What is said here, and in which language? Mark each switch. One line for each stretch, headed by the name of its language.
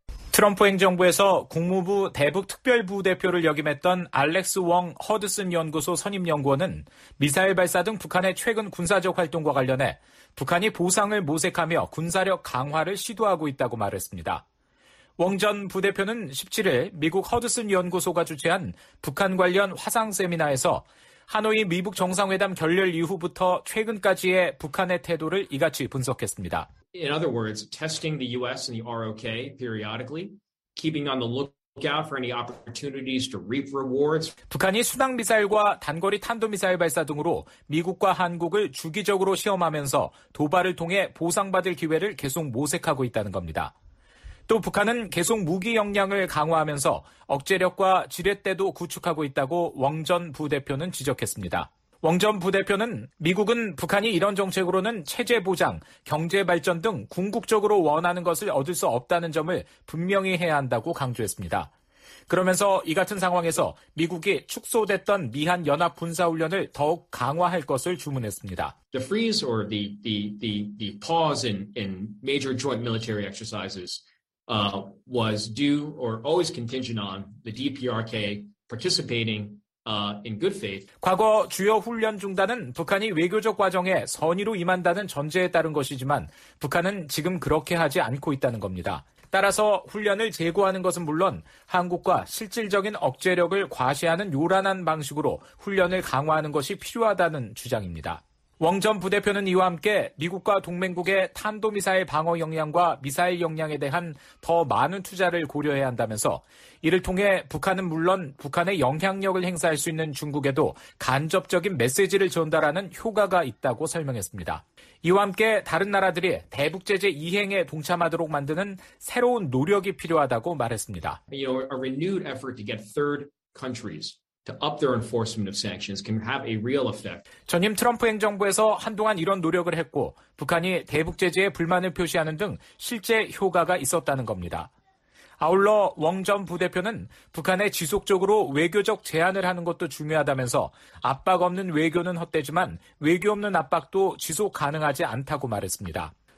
Korean: 트럼프 행정부에서 국무부 대북특별부대표를 역임했던 알렉스 웡 허드슨 연구소 선임연구원은 미사일 발사 등 북한의 최근 군사적 활동과 관련해 북한이 보상을 모색하며 군사력 강화를 시도하고 있다고 말했습니다. 웡 전 부대표는 17일 미국 허드슨 연구소가 주최한 북한 관련 화상 세미나에서 하노이 미북 정상회담 결렬 이후부터 최근까지의 북한의 태도를 이같이 분석했습니다.
English: In other words, testing the U.S. and the ROK periodically, keeping on the lookout for any opportunities to reap rewards.
Korean: 북한이 순항 미사일과 단거리 탄도 미사일 발사 등으로 미국과 한국을 주기적으로 시험하면서 도발을 통해 보상받을 기회를 계속 모색하고 있다는 겁니다. 또 북한은 계속 무기 역량을 강화하면서 억제력과 지렛대도 구축하고 있다고 웡 전 부대표는 지적했습니다. 웡 전 부대표는 미국은 북한이 이런 정책으로는 체제 보장, 경제 발전 등 궁극적으로 원하는 것을 얻을 수 없다는 점을 분명히 해야 한다고 강조했습니다. 그러면서 이 같은 상황에서 미국이 축소됐던 미한 연합 군사 훈련을 더욱 강화할 것을 주문했습니다.
English: The freeze or the pause in major joint military exercises was due or always contingent on the DPRK participating. In good faith.
Korean: 과거 주요 훈련 중단은 북한이 외교적 과정에 선의로 임한다는 전제에 따른 것이지만 북한은 지금 그렇게 하지 않고 있다는 겁니다. 따라서 훈련을 재고하는 것은 물론 한국과 실질적인 억제력을 과시하는 요란한 방식으로 훈련을 강화하는 것이 필요하다는 주장입니다. 웡 전 부대표는 이와 함께 미국과 동맹국의 탄도미사일 방어 역량과 미사일 역량에 대한 더 많은 투자를 고려해야 한다면서 이를 통해 북한은 물론 북한의 영향력을 행사할 수 있는 중국에도 간접적인 메시지를 전달하는 효과가 있다고 설명했습니다. 이와 함께 다른 나라들이 대북 제재 이행에 동참하도록 만드는 새로운 노력이 필요하다고 말했습니다.
English: You know, a renewed effort to get third countries. To up their enforcement of sanctions can have a real effect.
Korean: 전임 트럼프 행정부에서 한동안 이런 노력을 했고 북한이 대북 제재에 불만을 표시하는 등 실제 효과가 있었다는 겁니다. 아울러 웡 전 부대표는 북한에 지속적으로 외교적 제안을 하는 것도 중요하다면서 압박 없는 외교는 헛되지만 외교 없는 압박도 지속 가능하지 않다고 말했습니다.